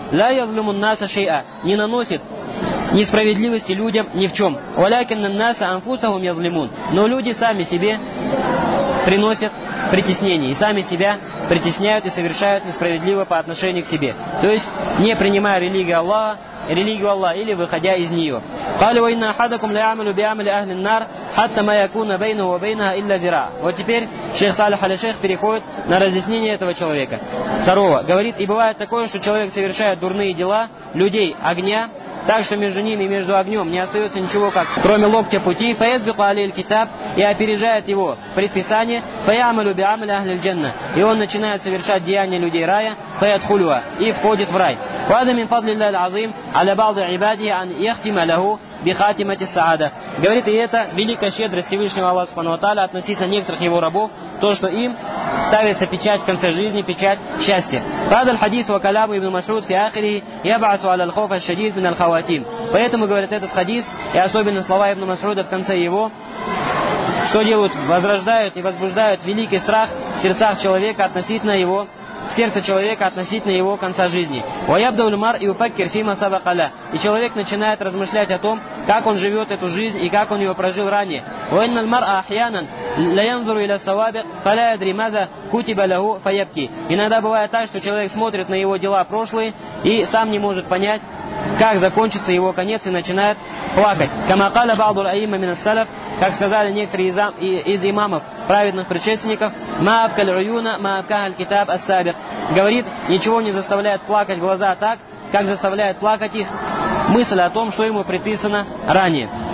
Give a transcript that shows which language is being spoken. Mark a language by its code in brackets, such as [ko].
[ar] Ля язлюму ан-наса шейа, [ru] не наносит несправедливости людям ни в чем. [ar] Валякинна ан-наса анфусахум язлимун, [ru] но люди сами себе приносят притеснение и сами себя притесняют и совершают несправедливо по отношению к себе. То есть не принимая религию Аллаха или выходя из нее. [ar] قال وإن أحدكم لا يعمل بعمل أهل النار حتى ما يكون بينه وبينها إلا ذراع. [ru] Вот теперь шейх Салих аль-Шейх переходит на разъяснение этого человека. Второго. Говорит, и бывает такое, что человек совершает дурные дела людей огня, так что между ними и между огнем не остается ничего, как кроме локтя пути. [ar] فَيَسْبِقُ عَلَيْهِ الْكِتَابُ, [ru] и опережает его предписание. [ar] فَيَعْمَلُ بِعَمَلِ أَهْلِ الْجَنَّةِ, [ru] и он начинает совершать деяния людей рая. [ar] فَيَدْخُلُهَا, [ru] и входит в рай. [ar] وَهَذَا مِنْ فَضْلِ اللَّهِ الْعَظِيمِ عَلَى بَعْضِ عِبَادِهِ أَنْ يَخْتِمَ لَهُ بِخَاتِمَةِ السَّعَادَةِ. [ru] Говорит, и это великая щедрость Всевышнего Аллаха Субхану ва Тааля относительно некоторых его рабов, то, что им ставится печать в конце жизни, печать счастья. [ar] هذا الحديث وكلام ابن مسعود في آخره يبعث على الخوف الشديد من الخواتيم. [ru] Поэтому, говорит, этот хадис и особенно слова ибн Масуда в конце его, что делают, возрождают и возбуждают великий страх в сердцах человека относительно его, в сердце человека относительно его конца жизни. [ar] ويبدأ المرء يفكر فيما سبق له, [ru] и человек начинает размышлять о том, как он живет эту жизнь и как он ее прожил ранее. [ar] وإن المرء أحيانا لا ينظر إلى السوابق فلا يدري ماذا كتب له فيبكي. [ru] Иногда бывает так, что человек смотрит на его дела прошлые и сам не может понять, как закончится его конец, и начинает плакать. [ar] كما قال بعض الأئمة من السلف, [ru] как сказали некоторые из имамов праведных предшественников, [ar] ما أبكى العيون ما أبكاه الكتاب السابق, [ru] говорит, ничего не заставляет плакать глаза так, как заставляет плакать их мысль о том, что ему предписано ранее.